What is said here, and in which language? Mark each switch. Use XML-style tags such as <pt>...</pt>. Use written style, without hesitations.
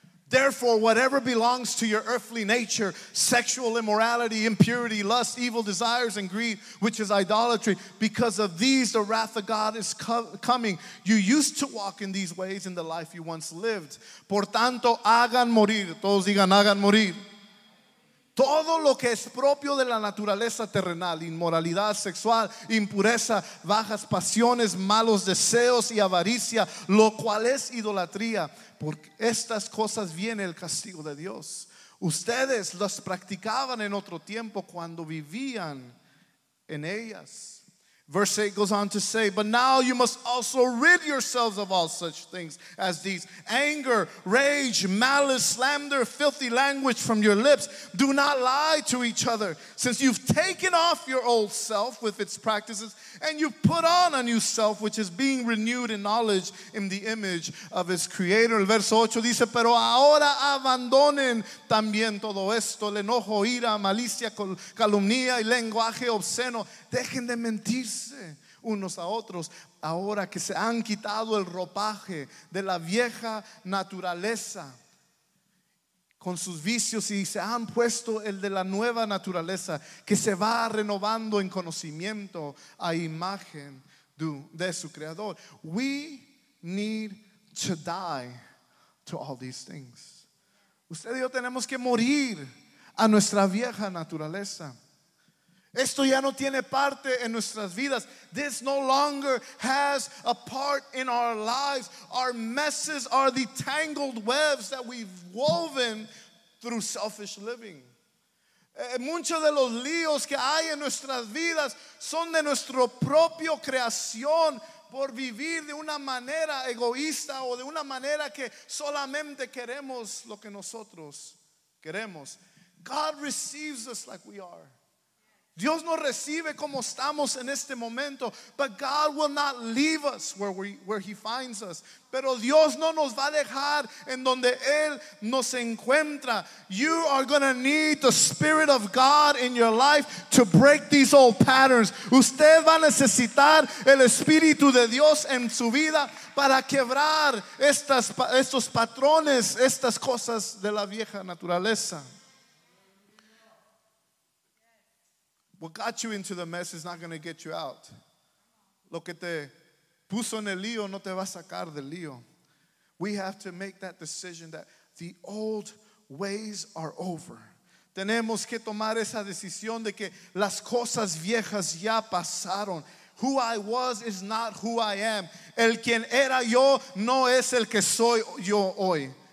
<en>Therefore, whatever belongs to your earthly nature, sexual immorality, impurity, lust, evil desires, and greed, which is idolatry, because of these the wrath of God is coming. You used to walk in these ways in the life you once lived.</en> <es>Por tanto, hagan morir. Todos digan, hagan morir. Todo lo que es propio de la naturaleza terrenal, inmoralidad sexual, impureza, bajas pasiones, malos deseos y avaricia, lo cual es idolatría, porque estas cosas viene el castigo de Dios. Ustedes las practicaban en otro tiempo cuando vivían en ellas.</es> <en>Verse 8 goes on to say, but now you must also rid yourselves of all such things as these: anger, rage, malice, slander, filthy language from your lips. Do not lie to each other, since you've taken off your old self with its practices and you've put on a new self which is being renewed in knowledge in the image of its creator.</en> <es>El verso 8 dice, pero ahora abandonen también todo esto: el enojo, ira, malicia, calumnia y lenguaje obsceno. Dejen de mentir unos a otros, ahora que se han quitado el ropaje de la vieja naturaleza con sus vicios y se han puesto el de la nueva naturaleza que se va renovando en conocimiento a imagen de su creador.</es> <en>We need to die to all these things.</en> <es>Usted y yo tenemos que morir a nuestra vieja naturaleza. Esto ya no tiene parte en nuestras vidas.</es> <en>This no longer has a part in our lives. Our messes are the tangled webs that we've woven through selfish living.</en> <es>Muchos de los líos que hay en nuestras vidas son de nuestro propio creación por vivir de una manera egoísta o de una manera que solamente queremos lo que nosotros queremos.</es> <en>God receives us like we are.</en> <es>Dios nos recibe como estamos en este momento,</es> <en>but God will not leave us where he finds us.</en> <es>Pero Dios no nos va a dejar en donde Él nos encuentra.</es> <en>You are going to need the Spirit of God in your life to break these old patterns.</en> <es>Usted va a necesitar el Espíritu de Dios en su vida para quebrar estos patrones, estas cosas de la vieja naturaleza.</es> <en>What got you into the mess is not going to get you out.</en> <es>Lo que te puso en el lío no te va a sacar del lío.</es> <en>We have to make that decision that the old ways are over.</en> <es>Tenemos que tomar esa decisión de que las cosas viejas ya pasaron.</es> <en>Who I was is not who I am.</en> <es>El quien era yo no es el que soy yo hoy.</es>